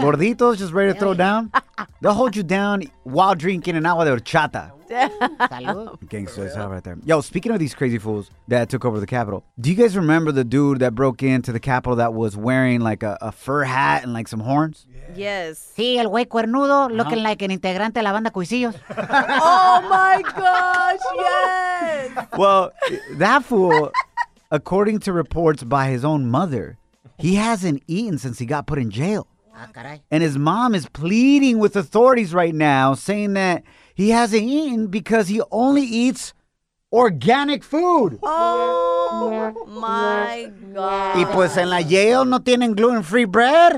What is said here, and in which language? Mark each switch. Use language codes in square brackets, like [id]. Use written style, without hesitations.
[en] Gorditos just ready to throw down. They'll hold you down while drinking an [es] agua de horchata. [en] Damn. Gangster style right there. Yo, speaking of these crazy fools that took over the Capitol, do you guys remember the dude that broke into the Capitol that was wearing like a fur hat and like some horns? Yes. [es] Sí, el güey cuernudo [en] looking like an [es] integrante de la banda Cuisillos. [en] Oh my gosh, yes. Well, that fool, according to reports by his own mother, he hasn't eaten since he got put in jail. And his mom is pleading with authorities right now, saying that he hasn't eaten because he only eats organic food. Oh, my God. [es] Y pues en la [en] jail [es] no tienen [en] gluten-free bread.